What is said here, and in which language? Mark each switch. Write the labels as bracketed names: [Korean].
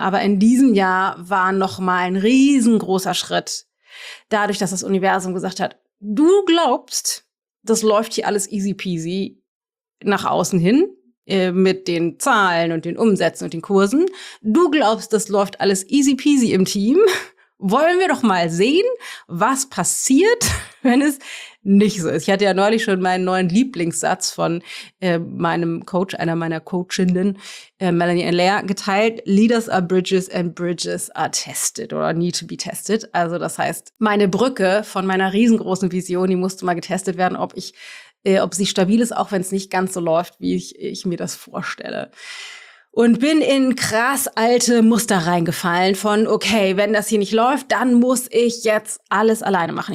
[German] Aber in diesem Jahr war nochmal ein riesengroßer Schritt, dadurch, dass das Universum gesagt hat, du glaubst, das läuft hier alles easy peasy nach außen hin, mit den Zahlen und den Umsätzen und den Kursen. Du glaubst, das läuft alles easy peasy im Team. Wollen wir doch mal sehen, was passiert, wenn es nicht so ist. Ich hatte ja neulich schon meinen neuen Lieblingssatz von meinem Coach, einer meiner Coachinnen, Melanie and Lea, geteilt. [English] Leaders are bridges and bridges are tested or need to be tested. [German] Also das heißt, meine Brücke von meiner riesengroßen Vision, die musste mal getestet werden, ob sie stabil ist, auch wenn es nicht ganz so läuft, wie ich mir das vorstelle. Und bin in krass alte Muster reingefallen von, okay, wenn das hier nicht läuft, dann muss ich jetzt alles alleine machen.